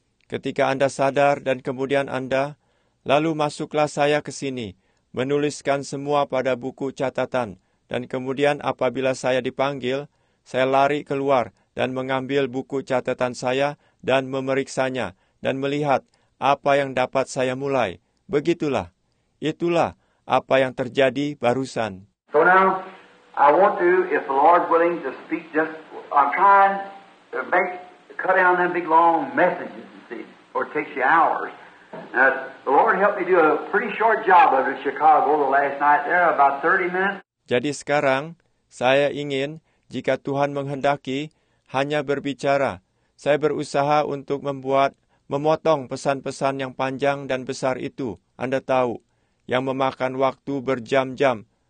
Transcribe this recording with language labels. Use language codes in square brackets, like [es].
[id] Ketika Anda sadar dan kemudian Anda, lalu masuklah saya ke sini, menuliskan semua pada buku catatan, dan kemudian apabila saya dipanggil, saya lari keluar dan mengambil buku catatan saya dan memeriksanya, dan melihat apa yang dapat saya mulai. Begitulah. Itulah apa yang terjadi barusan. [en] So now, I want to, if the Lord's willing to speak, just I'm trying to make cut down them big long messages, you see, or it takes you hours. Now, the Lord helped me do a pretty short job of it in Chicago the last night there, about 30 minutes. [id] Jadi sekarang, saya ingin, jika Tuhan menghendaki, hanya berbicara. Saya berusaha untuk memotong pesan-pesan yang panjang dan besar itu, Anda tahu, yang memakan waktu berjam-jam.